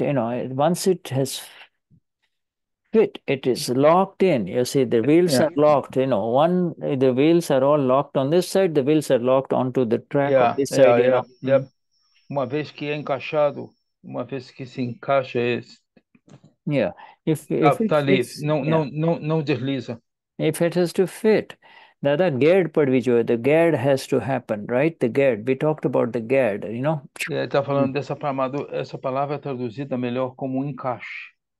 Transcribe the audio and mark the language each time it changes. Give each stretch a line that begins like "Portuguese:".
English: You know, once it has fit, it is locked in. You see, the wheels are locked. You know, one, the wheels are all locked on this side, the wheels are locked onto the track of this side, you know.
Portuguese: Uma vez que é encaixado, uma vez que se encaixa,
English: Yeah, if it
Portuguese: tá livre,
English: fits,
Portuguese: não,
English: yeah.
Portuguese: não desliza.
English: If it has to fit, that ged parvijoe, the ged has to happen, right? The ged, we talked about the ged, you know.
Portuguese: Ele está falando dessa palavra traduzida melhor como encaixe,